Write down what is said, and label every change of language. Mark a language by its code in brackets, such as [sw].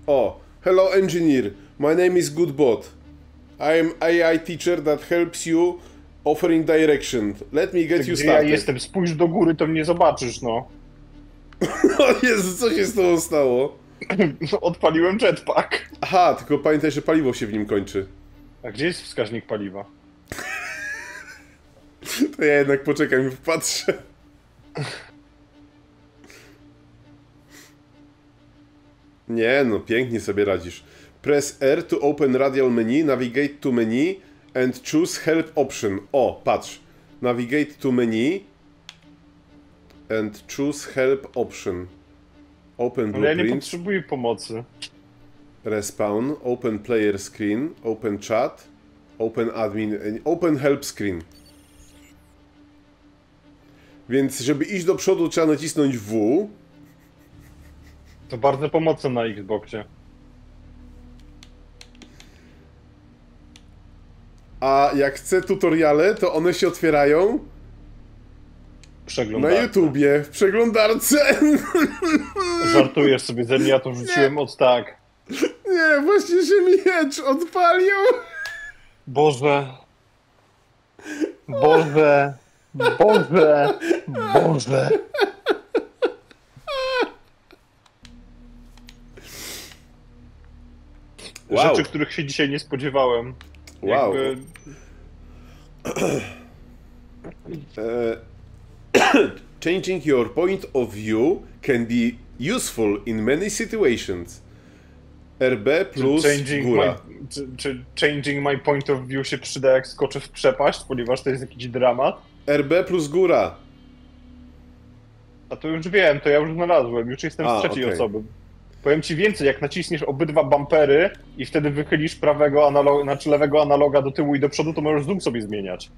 [en] O, hello engineer, my name is Goodbot. I am AI teacher that helps you offering direction. Let me get you started. [pl] Ja jestem, spójrz do góry, to mnie zobaczysz, no. O Jezu, co się z tobą stało? Odpaliłem jetpack. Aha, tylko pamiętaj, że paliwo się w nim kończy. A gdzie jest wskaźnik paliwa? To ja jednak poczekam i popatrzę. Nie no, pięknie sobie radzisz. [en] Press R to open radial menu, navigate to menu and choose help option. [pl] O, patrz. [en] Navigate to menu and choose help option. Open blueprint. [pl] Ale ja nie potrzebuję pomocy. [en] Respawn, open player screen, open chat, open admin, open help screen. [pl] Więc żeby iść do przodu, trzeba nacisnąć W. To bardzo pomocne na Xboxie. A jak chcę tutoriale, to one się otwierają... Przeglądarce. Na YouTubie, w przeglądarce! Żartujesz sobie ze mnie, ja to wrzuciłem od tak. Nie, właśnie się miecz odpalił! Boże... Boże... Boże... Boże... Wow. Rzeczy, których się dzisiaj nie spodziewałem. Wow. Jakby... [en] Changing your point of view can be useful in many situations. [pl] RB plus góra. Czy [en] changing my point of view [pl] się przyda, jak skoczę w przepaść, ponieważ to jest jakiś dramat? RB plus góra. A to już wiem, to ja już znalazłem, już jestem z trzeciej osoby. Powiem ci więcej, jak naciśniesz obydwa bumpery i wtedy wychylisz prawego analoga, znaczy lewego analoga do tyłu i do przodu, to możesz zoom sobie zmieniać.